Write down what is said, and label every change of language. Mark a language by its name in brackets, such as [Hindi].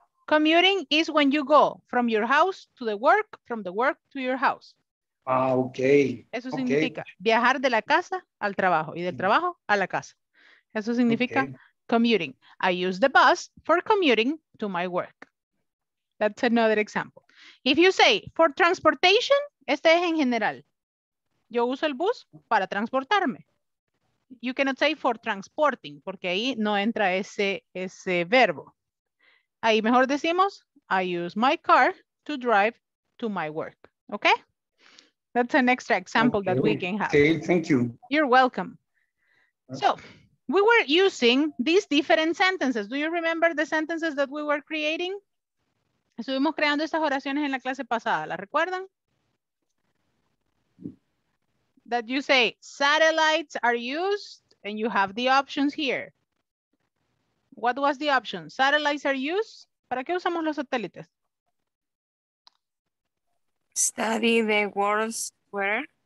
[English] Commuting is when you go from your house to the work, from the work to your house. Ah, okay. [Spanish] Eso significa viajar de la casa al trabajo y del trabajo a la casa. Eso significa commuting. [English] I use the bus for commuting to my work. That's another example. If you say for transportation, [Spanish] este es en general. Yo uso el bus para transportarme. [English] You cannot say for transporting, [Spanish] porque ahí no entra ese verbo. Ahí mejor decimos, [English] I use my car to drive to my work. Okay? That's an extra example that we can have. Okay, thank you. You're welcome. So, we were using these different sentences. Do you remember the sentences that we were creating? [Spanish] Estuvimos creando estas oraciones en la clase pasada. ¿La recuerdan? [English] That you say satellites are used and you have the options here. What was the option? Satellites are used. [Spanish] ¿Para qué usamos los satélites? [English] Study the world's weather.